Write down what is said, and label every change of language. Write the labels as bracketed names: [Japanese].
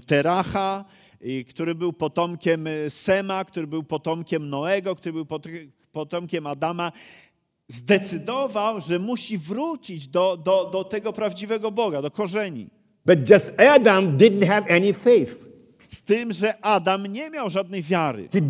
[Polish] Teracha, który był potomkiem Sema, który był potomkiem Noego, który był potomkiem Adama, zdecydował, że musi wrócić do tego prawdziwego Boga, do korzeni. [English] But just Adam didn't have any faith. [Polish] Z tym, że Adam nie miał żadnej wiary.